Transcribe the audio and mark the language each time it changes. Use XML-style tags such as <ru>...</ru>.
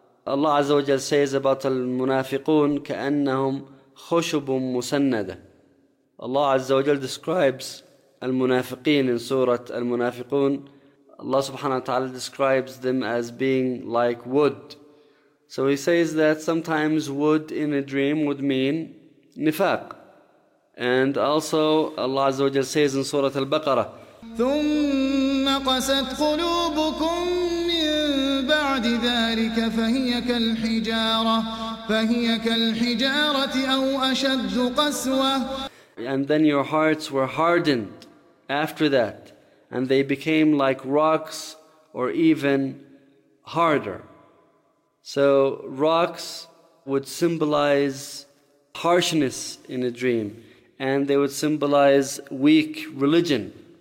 <en>Allah Azza wa Jalla says about al-munafiqun,</en> <ar>كَأَنَّهُمْ خُشُبٌ مُسَنَّدَ.</ar> <en>Allah Azza wa Jalla describes al-munafiqeen in Surah al-Munafiqun. Allah subhanahu wa ta'ala describes them as being like wood. So he says that sometimes wood in a dream would mean nifaq. And also Allah Azza wa Jalla says in Surah al-Baqarah,</en> <ar>ثُمَّ قَسَتْ قُلُوبُكُمْ مِنْ بَعْدِ ذَٰلِكَ فَهِيَ كَالْحِجَارَةِ أَوْ أَشَدُّ قَسْوَةً.</ar> <en>And then your hearts were hardened after that, and they became like rocks or even harder. So rocks would symbolize harshness in a dream, and they would symbolize weak religion.</en>